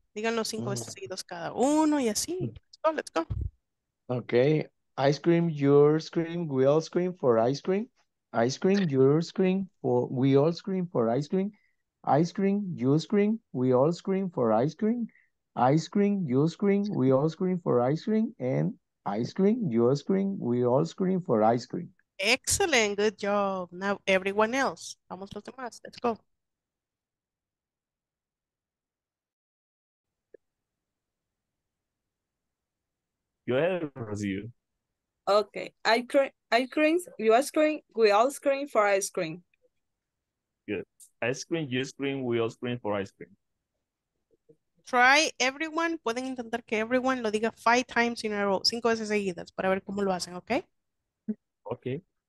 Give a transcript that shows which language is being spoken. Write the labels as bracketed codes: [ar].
[es] Díganlo cinco veces seguidos cada uno y así. [en] Let's go. Okay. Ice cream, your scream, we all scream for ice cream. Ice cream, your scream, for we all scream for ice cream. Ice cream, your scream, we all scream for ice cream. Ice cream, your scream, we all scream for ice cream. And ice cream, your scream, we all scream for ice cream. Excellent. Good job. Now everyone else. [es] Vamos los demás. [en] Let's go. Go ahead, Rosie. Okay. Ice cream, we all scream for ice cream. Good. Ice cream, you scream, we all scream for ice cream. Try everyone. [es] Pueden intentar que [en] everyone [es] lo diga [en] 5 times in a row, [es] 5 veces seguidas, para ver cómo lo hacen, [en] okay? Okay.